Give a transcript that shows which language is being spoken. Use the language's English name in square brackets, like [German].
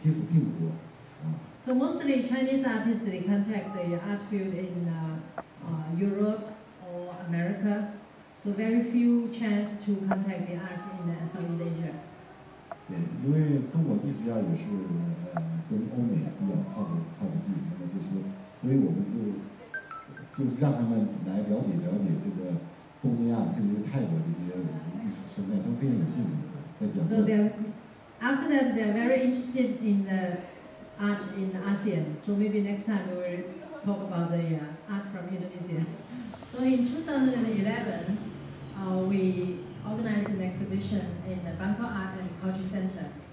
[Chinese] 这也是他们那个宋庄的艺术家们来了很多，当时我们觉得挺意外，因为他们也想了解了解，因为他们跟东南亚的接触并不多。 [English] So mostly Chinese artists they contact the art field in Europe or America, so very few chance to contact the art in Southeast Asia。 [Chinese] 对，因为中国艺术家也是跟欧美比较靠近，那么就是，所以我们就。就是让他们来了解了解这个东南亚，特别是泰国这些艺术生态，都非常有兴趣，在讲座。 [English] So they're after them, they're very interested in the art in ASEAN. So maybe next time we will talk about the art from Indonesia. So in 2011, we organized an exhibition in the Bangkok Art and Culture Center.